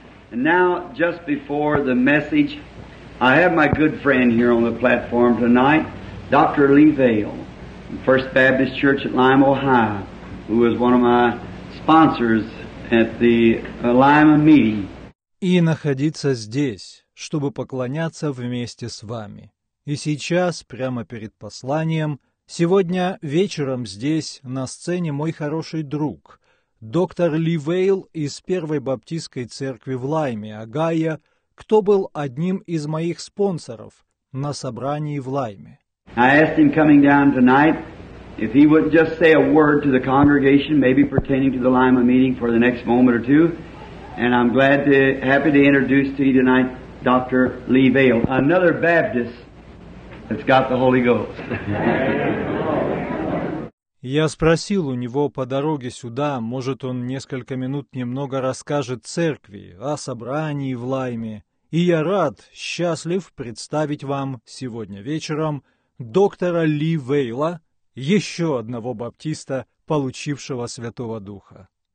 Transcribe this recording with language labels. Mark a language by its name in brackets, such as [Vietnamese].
[English] And now, just before the message, I have my good friend here on the platform tonight, Dr. Lee Vail, First Baptist Church at Lima, Ohio, who was one of my sponsors at the Lima meeting. [Russian] И находиться здесь, чтобы поклоняться вместе с вами. И сейчас, прямо перед посланием, сегодня вечером здесь, на сцене, мой хороший друг, доктор Ли Вейл из Первой Баптистской Церкви в Лайме, Огайо, кто был одним из моих спонсоров на собрании в Лайме. [English] I asked him coming down tonight if he would just say a word to the congregation, maybe pertaining to the Lima meeting for the next moment or two. And I'm glad to, happy to introduce to you tonight Dr. Ли Вейл, another Baptist that's got the Holy Ghost. [Russian] Я спросил у него по дороге сюда, может, он несколько минут немного расскажет церкви о собрании в Лайме. И я рад, счастлив представить вам сегодня вечером доктора Ли Вейла, еще одного баптиста, получившего Святого Духа.